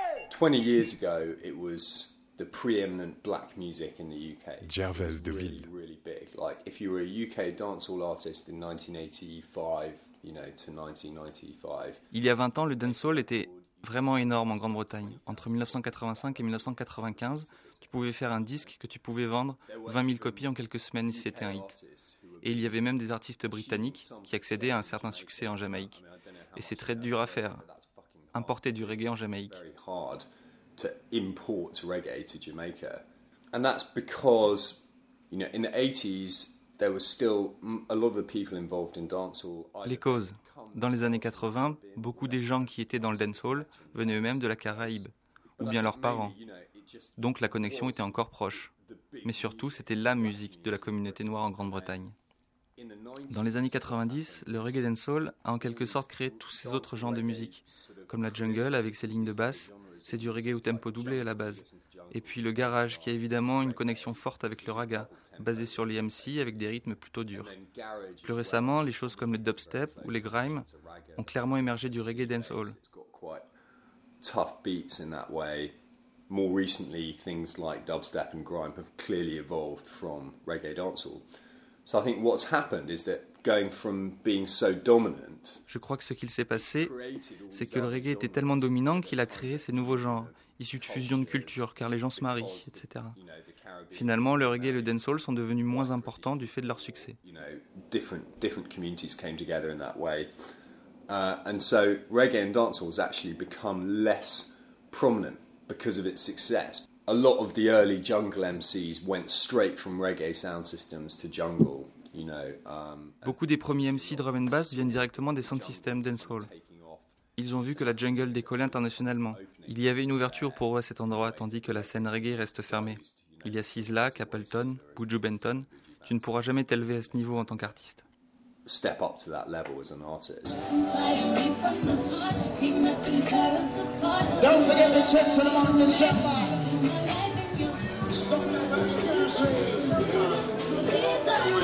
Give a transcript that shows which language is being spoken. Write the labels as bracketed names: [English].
[English] 20 years ago, it was the preeminent black music in the UK. Gervais de Ville. Really, really big. Like, if you were a UK dancehall artist in 1985, you know, to 1995. [French] Il y a 20 ans, le dancehall était vraiment énorme en Grande-Bretagne. Entre 1985 et 1995, tu pouvais faire un disque que tu pouvais vendre 20 000 copies en quelques semaines si c'était un hit. Et il y avait même des artistes britanniques qui accédaient à un certain succès en Jamaïque. Et c'est très dur à faire. Importer du reggae en Jamaïque. [English] Very hard to import reggae to Jamaica, and that's because, you know, in the 80s there was still a lot of the people involved in dancehall. [French] Les causes. Dans les années 80, beaucoup des gens qui étaient dans le dancehall venaient eux-mêmes de la Caraïbe, ou bien leurs parents. Donc la connexion était encore proche. Mais surtout, c'était la musique de la communauté noire en Grande-Bretagne. Dans les années 90, le reggae dancehall a en quelque sorte créé tous ces autres genres de musique, comme la jungle avec ses lignes de basse, c'est du reggae au tempo doublé à la base. Et puis le garage qui a évidemment une connexion forte avec le raga, basé sur les MC avec des rythmes plutôt durs. Plus récemment, les choses comme le dubstep ou les grimes ont clairement émergé du reggae dancehall. [English] Tough beats in that way. More recently, things like dubstep and grime have clearly evolved from reggae dancehall. So I think what's happened is that going from being so dominant. [French] Je crois que ce qu'il s'est passé, c'est que le reggae était tellement dominant qu'il a créé ces nouveaux genres, issus de fusion de cultures, car les gens se marient, etc. Finalement, le reggae et le dancehall sont devenus moins importants du fait de leur succès. [English] Different communities came together in that way. And so reggae and dancehall has actually become less prominent because of its success. A lot of the early jungle MCs went straight from reggae sound systems to jungle, you know. [French] Beaucoup des premiers MC drum and bass viennent directement des sound systems dancehall. Ils ont vu que la jungle décollait internationalement. Il y avait une ouverture pour eux à cet endroit, tandis que la scène reggae reste fermée. Il y a Sizzla, Capleton, Buju Benton. Tu ne pourras jamais t'élever à ce niveau en tant qu'artiste. [English] Step up to that level as an artist. Don't forget the church and among the shepherds. Stop never losing.